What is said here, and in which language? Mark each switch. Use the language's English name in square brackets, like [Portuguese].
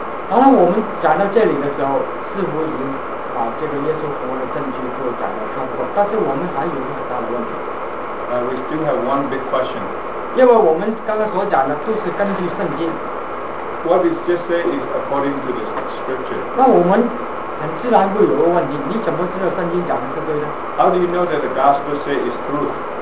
[Chinese] 然后我们讲到这里的时候，似乎已经把这个耶稣复活的证据都讲得差不多，但是我们还有一个很大的问题。 [English] We still have one big question. [Chinese] 因为我们刚刚所讲的都是根据圣经。 [English] What is just said is according to the scripture. [Chinese] 那我们很自然会有个问题，你怎么知道圣经讲的是对的？ [English] How do you know that the gospel say is truth?